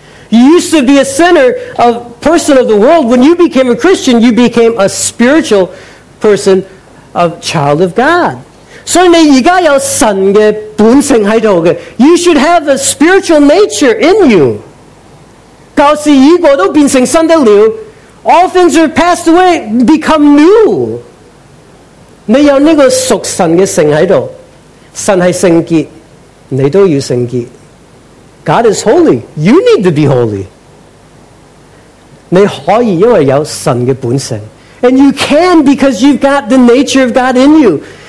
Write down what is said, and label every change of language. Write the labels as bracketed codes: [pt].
[en] You used to be a sinner, a person of the world. When you became a Christian, you became a spiritual person, a child of God. [zh] 所以你现在有神的本性在这里。 [en] You should have a spiritual nature in you. [zh] 旧事已过都变成新的了。 [en] All things are passed away, become new. [zh] 你有这个属神的性在这里。神是圣洁，你都要圣洁。 [en] God is holy. You need to be holy. [zh] 你可以因为有神的本性。 [en] And you can because you've got the nature of God in you.